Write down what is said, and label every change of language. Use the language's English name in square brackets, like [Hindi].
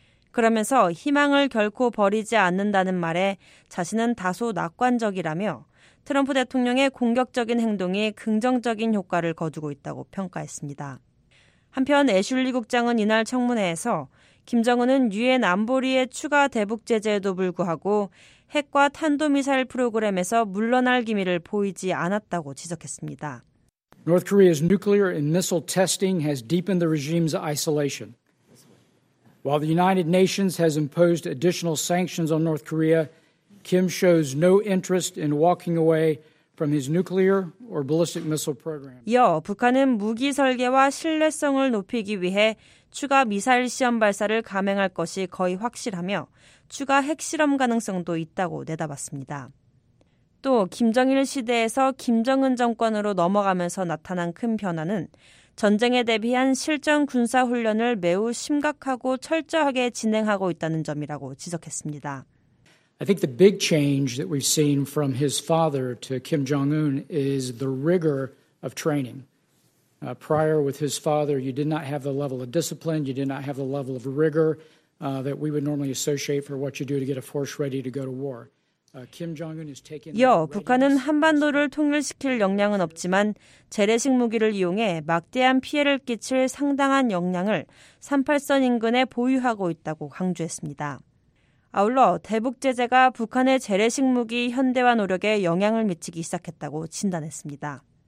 [Korean] 그러면서 희망을 결코 버리지 않는다는 말에 자신은 다소 낙관적이라며 트럼프 대통령의 공격적인 행동이 긍정적인 효과를 거두고 있다고 평가했습니다. 한편 애슐리 국장은 이날 청문회에서 김정은은 유엔 안보리의 추가 대북 제재에도 불구하고 핵과 탄도미사일 프로그램에서 물러날 기미를 보이지 않았다고 지적했습니다. [English] North Korea's nuclear and missile testing has deepened the regime's isolation. While the United Nations has imposed additional sanctions on North Korea, Kim shows no interest in walking away from his nuclear or ballistic missile program. [Korean] 이어 북한은 무기 설계와 신뢰성을 높이기 위해 추가 미사일 시험 발사를 감행할 것이 거의 확실하며 추가 핵실험 가능성도 있다고 내다봤습니다. 또 김정일 시대에서 김정은 정권으로 넘어가면서 나타난 큰 변화는 전쟁에 대비한 실전 군사 훈련을 매우 심각하고 철저하게 진행하고 있다는 점이라고 지적했습니다. [English] I think the big change that we've seen from his father to Kim Jong-un is the rigor of training. Prior with his father, you did not have the level of discipline, you did not have the level of rigor that we would normally associate for what you do to get a force ready to go to war. Kim Jong-un is taking. [Korean] 이어 북한은 한반도를 통일시킬 역량은 없지만 재래식 무기를 이용해 막대한 피해를 끼칠 상당한 역량을 38선 인근에 보유하고 있다고 강조했습니다. 아울러 대북 제재가 북한의 재래식 무기 현대화 노력에 영향을 미치기 시작했다고 진단했습니다.